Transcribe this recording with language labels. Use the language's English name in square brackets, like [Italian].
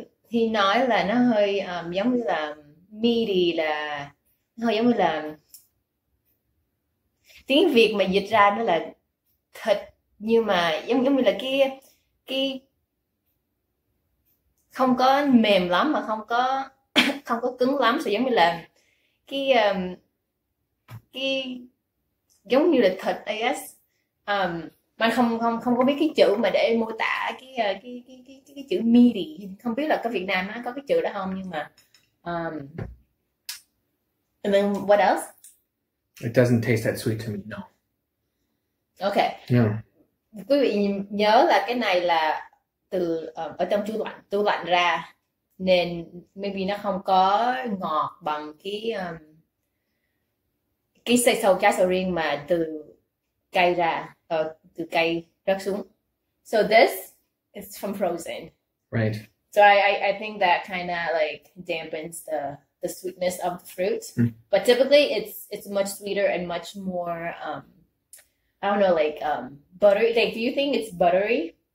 [Vietnamese] He nói là nó hơi giống như là meaty là nó hơi giống như là tiếng Việt mà dịch ra nó là thịt nhưng mà giống giống như là cái không có mềm lắm mà không có cứng lắm, so giống như là cái giống như là thịt [English] I guess. [Vietnamese] Mà không không không có biết cái chữ mà để mô tả cái chữ meaty, không biết là có Việt Nam nó có cái chữ đó không nhưng mà [English] and then what It doesn't taste that sweet to me, no. else? Okay. No. [Vietnamese] Quý vị nhớ là cái này là từ ở trong tủ lạnh ra nên maybe nó không có ngọt bằng cái xì sầu trái sầu riêng mà từ cây ra từ cây rớt xuống. [English] So this is from frozen. Right. So I think that kind of like dampens the sweetness of the fruit, but typically it's much sweeter and much more I don't know, like buttery. Like, do you think it's buttery?